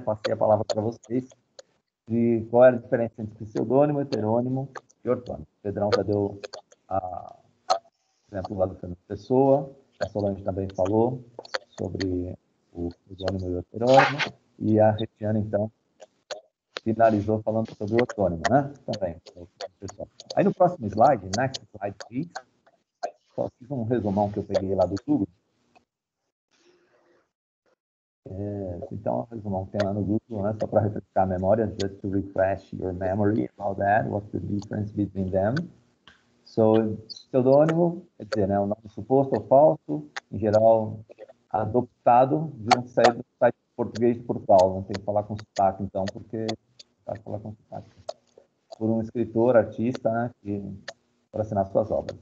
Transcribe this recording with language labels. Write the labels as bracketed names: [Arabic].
[Portuguese] Passei a palavra para vocês de qual era a diferença entre pseudônimo, heterônimo e ortônimo. O Pedrão já deu exemplo lá do termo pessoa, a Solange também falou sobre o pseudônimo e o heterônimo, e a Regiane, então, finalizou falando sobre o autônomo, né? Também, pessoal. Aí no próximo slide, [English] next slide, please. [Portuguese] Só fiz um resumão que eu peguei lá do Google. Então, resumão que tem lá no Google, né? Só para refrescar a memória, [English] just to refresh your memory about that, what's the difference between them. [Portuguese] So, pseudônimo, quer dizer, né? O nome suposto ou falso, em geral, adoptado, de um site português de Portugal. Não tem que falar com sotaque, então, porque. Por um escritor, artista, né, que para assinar suas obras.